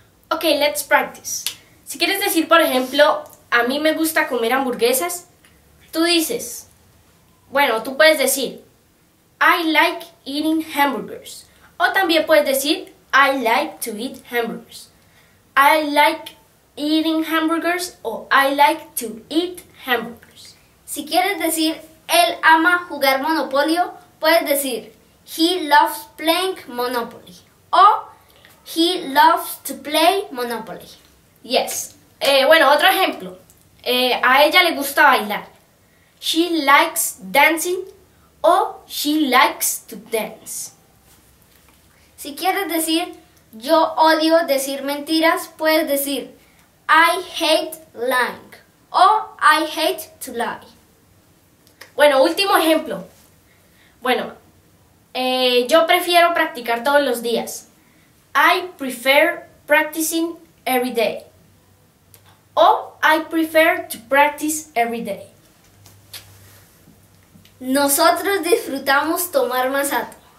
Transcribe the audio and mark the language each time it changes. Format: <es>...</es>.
<en>Ok, let's practice.</en> <es>Si quieres decir, por ejemplo, a mí me gusta comer hamburguesas. Tú dices, bueno, tú puedes decir,</es> <en>I like eating hamburgers.</en> <es>O también puedes decir,</es> <en>I like to eat hamburgers. I like eating hamburgers o I like to eat hamburgers.</en> <es>Si quieres decir, él ama jugar Monopoly, puedes decir,</es> <en>he loves playing Monopoly. O, he loves to play Monopoly.</en> <es>Yes. Bueno, otro ejemplo. A ella le gusta bailar.</es> <en>She likes dancing o she likes to dance.</en> <es>Si quieres decir yo odio decir mentiras, puedes decir</es> <en>I hate lying</en> <es>o</es> <en>I hate to lie.</en> <es>Bueno, último ejemplo. Bueno, yo prefiero practicar todos los días.</es> <en>I prefer practicing every day. O, I prefer to practice every day.</en> <es>Nosotros disfrutamos tomar masato.</es>